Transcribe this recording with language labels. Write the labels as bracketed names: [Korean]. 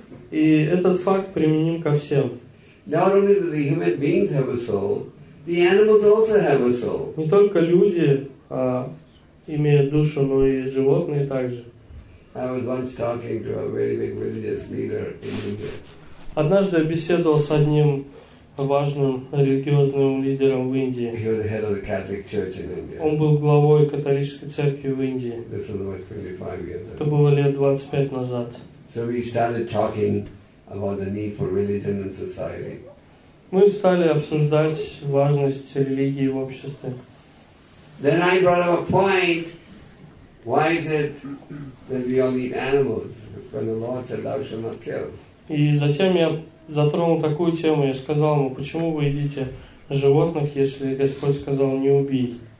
[Russian] И этот факт применим ко всем. [English] Not only do the human beings have a soul, the animals also have a soul. [Russian] Не только люди имеют душу, но и животные также. [English] I was once talking to a very big religious leader in India. [Russian] Однажды я беседовал с одним важным религиозным лидером в Индии. [English] He was the head of the Catholic Church in India. [Russian] Он был главой католической церкви в Индии. [English] This was about 25 years ago. [Russian] Это было лет 25 назад. [English] So we started talking about the need for religion in society. [Russian] Мы стали обсуждать важность религии в обществе. [English] Then I brought up a point. Why is it that we all eat animals when the Lord said thou shalt not kill? [Russian] И затем я затронул такую тему, я сказал ему, почему вы едите животных, если Господь сказал не убий?